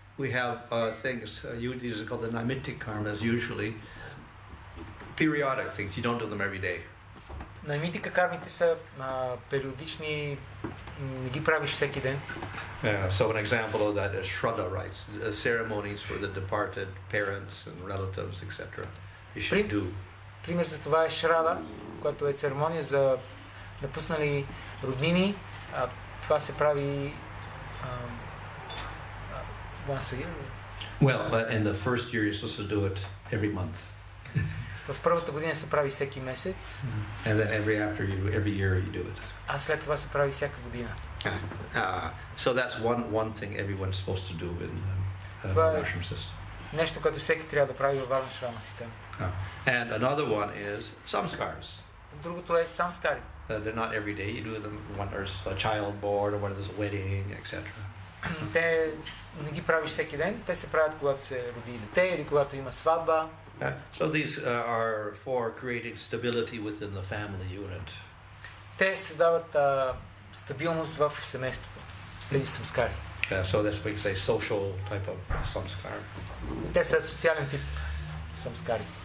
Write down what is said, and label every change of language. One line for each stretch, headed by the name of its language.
English: We have things, these are called the naimittic karmas, usually. Periodic things, you don't do them every day.
Bulgarian: Наймитика кармите са периодични, не ги правиш всеки ден.
English: So an example of that is Shraddha rites, ceremonies for the departed parents and relatives, etc. You should do.
Bulgarian: Пример за това е Shraddha, което е церемония за напуснали роднини. Това се прави...
English: Once a year. Well, but in the first year you're supposed to do it every month.
Bulgarian: В първата година се прави всеки месец.
English: And then every year you do it.
Bulgarian: А след това се прави всяка година.
English: So that's one thing everyone's supposed to do in the ashram system.
Bulgarian: Нещо, което всеки трябва да прави в ашрама система.
English: And another one is samskars.
Bulgarian: Другото е самскари.
English: They're not every day. You do them when there's a child born or when there's a wedding, etc.
Bulgarian: Те не ги правиш всеки ден, те се правят когато се роди дете или когато има сватба.
English: So these are for creating stability within the family unit.
Bulgarian: Те създават стабилност в семейството. Тези самскари.
English: So that's what you say, social type of samskar.
Bulgarian: Те са социален тип самскари.